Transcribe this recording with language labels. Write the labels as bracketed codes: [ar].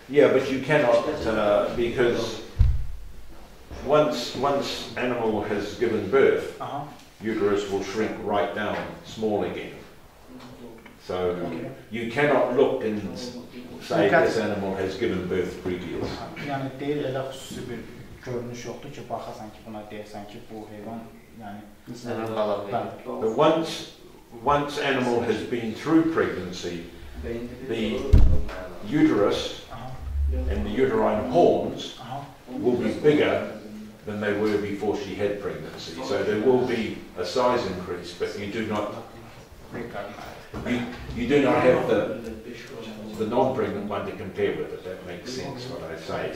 [en] Yeah, but you cannot because once animal has given birth, uterus will shrink right down small again. So you cannot look and say this animal has given birth previous. [az] Yəni deyir elə xüsusi bir görünüş yoxdur ki, baxasan ki, buna deyəsən ki, bu heyvan, yəni... [en] But once animal has been through pregnancy, the uterus and the uterine horns will be bigger than they were before she had pregnancy. So there will be a size increase, but you do not have the non-pregnant one to compare with, if that makes sense what I say.